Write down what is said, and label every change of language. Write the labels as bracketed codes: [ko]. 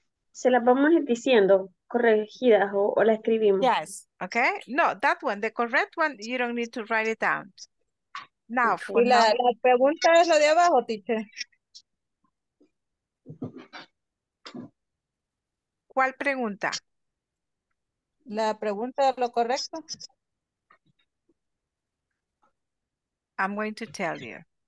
[es] Se las vamos diciendo, corregidas, o las escribimos. [en] Yes, okay. No, that one, the correct one, you don't need to write it down. Now, for [es] y la pregunta es la de abajo, teacher. ¿Cuál pregunta? La pregunta de lo correcto. [en] I'm going to tell you.